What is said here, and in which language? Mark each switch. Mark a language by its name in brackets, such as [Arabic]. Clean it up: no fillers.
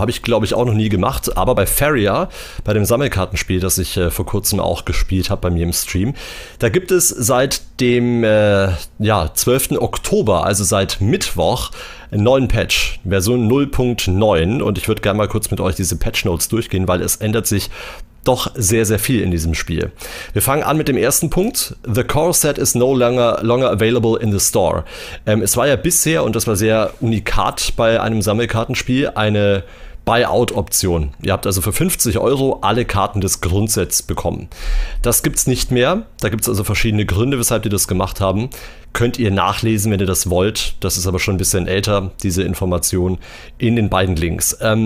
[German] Habe ich, glaube ich, auch noch nie gemacht. Aber bei Faria, bei dem Sammelkartenspiel, das ich vor kurzem auch gespielt habe bei mir im Stream, da gibt es seit dem 12. Oktober, also seit Mittwoch, einen neuen Patch, Version 0.9. Und ich würde gerne mal kurz mit euch diese Patchnotes durchgehen, weil es ändert sich doch sehr, sehr viel in diesem Spiel. Wir fangen an mit dem ersten Punkt. [English] The Core Set is no longer available in the store. [German] Es war ja bisher, und das war sehr unikat bei einem Sammelkartenspiel, eine Buyout-Option. Ihr habt also für 50 Euro alle Karten des Grundsets bekommen. Das gibt's nicht mehr. Da gibt's also verschiedene Gründe, weshalb die das gemacht haben. Könnt ihr nachlesen, wenn ihr das wollt. Das ist aber schon ein bisschen älter, diese Information, in den beiden Links.